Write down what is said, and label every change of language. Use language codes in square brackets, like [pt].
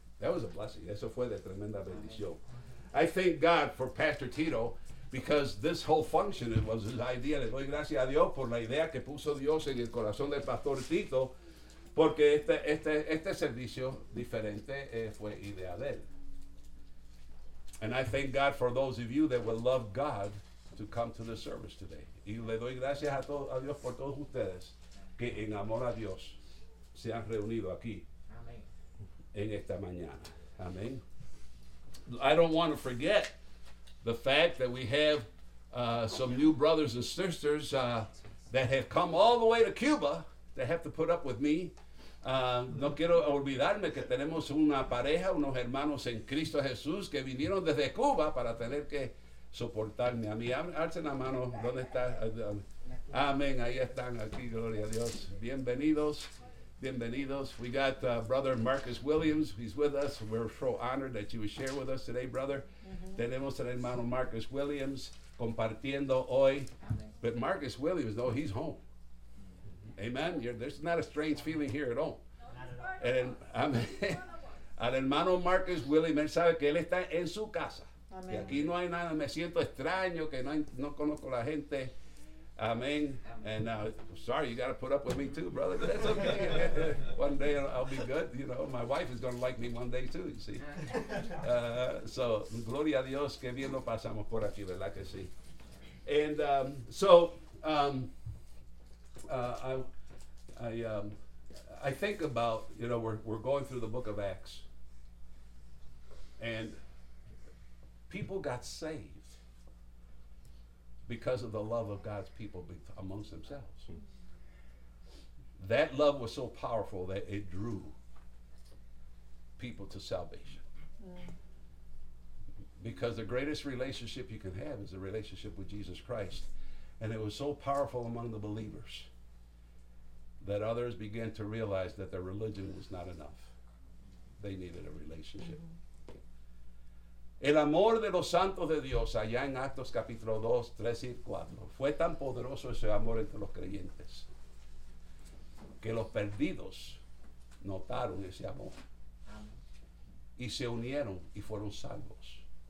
[en] That was a blessing. [es] Eso fue de tremenda bendición. [en] I thank God for Pastor Tito because this whole function, it was his idea. [es] Le doy gracias a Dios por la idea que puso Dios en el corazón del Pastor Tito porque este servicio diferente fue idea de él. [en] And I thank God for those of you that will love God to come to the service today. [es] Y le doy gracias a Dios por todos ustedes que en amor a Dios se han reunido aquí en esta mañana. Amén. [en] I don't want to forget the fact that we have some new brothers and sisters that have come all the way to Cuba that have to put up with me. [es] No quiero olvidarme que tenemos una pareja, unos hermanos en Cristo Jesús que vinieron desde Cuba para tener que soportarme a mí. Alcen la mano. ¿Dónde está? Amén. Ahí están aquí. Gloria a Dios. Bienvenidos. Bienvenidos. [en] We got Brother Marcus Williams. He's with us. We're so honored that you would share with us today, brother. [es] Mm-hmm. Tenemos al hermano Marcus Williams compartiendo hoy. Amen. [en] But Marcus Williams, though, he's home. Amen. There's not a strange feeling here at all. Not at all. [es] Al hermano Marcus Williams, él sabe que él está en su casa. Amen. Y aquí no hay nada. Me siento extraño que no conozco la gente. Amen. [en] And sorry, you got to put up with me too, brother. But that's okay. One day I'll be good. You know, my wife is going to like me one day too, you see. [es] So, gloria a Dios, que bien lo pasamos por aquí, ¿verdad que sí? [en] And I think about, you know, we're going through the book of Acts. And people got saved because of the love of God's people amongst themselves. That love was so powerful that it drew people to salvation. Because the greatest relationship you can have is a relationship with Jesus Christ. And it was so powerful among the believers that others began to realize that their religion was not enough. They needed a relationship. [es] El amor de los santos de Dios, allá en Actos capítulo 2, 3 y 4, fue tan poderoso ese amor entre los creyentes que los perdidos notaron ese amor y se unieron y fueron salvos.